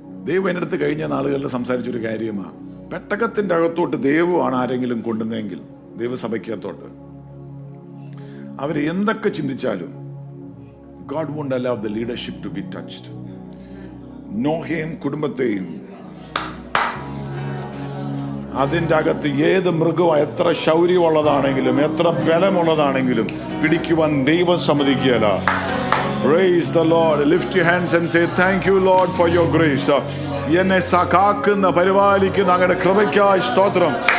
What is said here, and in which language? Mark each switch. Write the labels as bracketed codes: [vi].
[ml] ദൈവം എന്റെ അടുത്ത് കഴിഞ്ഞ നാളുകളിൽ സംസാരിച്ചൊരു കാര്യമാണ്, പെട്ടകത്തിന്റെ അകത്തോട്ട് ദൈവമാണ് ആരെങ്കിലും കൊണ്ടുവന്നതെങ്കിൽ ദൈവസഭയ്ക്കകത്തോട്ട്, അവരെന്തൊക്കെ ചിന്തിച്ചാലും [en] God won't allow the leadership to be touched. [ml] Noheim kudumbathayum അതിൻ്റെ അകത്ത് ഏത് മൃഗവും എത്ര ശൗര്യമുള്ളതാണെങ്കിലും എത്ര ബലമുള്ളതാണെങ്കിലും പിടിക്കുവാൻ ദൈവം സമ്മതിക്കുകയല്ല. [en] Praise the Lord. Lift your hands and say, thank you Lord for your grace. [ml] എന്നെ സഹാക്കുന്ന പരിപാലിക്കുന്ന അങ്ങയുടെ കൃപയ്ക്കായി സ്തോത്രം.